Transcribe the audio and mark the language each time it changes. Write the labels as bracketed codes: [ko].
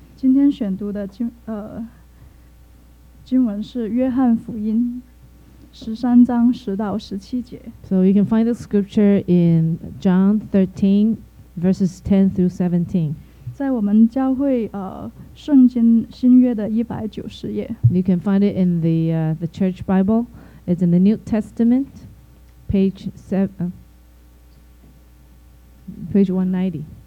[zh] 今天选读的经文是《约翰福音》13:10-17。 [en] So you can find the scripture in John 13:10-17. [zh] 在我们教会圣经新约的190页。 [en] You can find it in the church Bible. It's in the New Testament, page 190.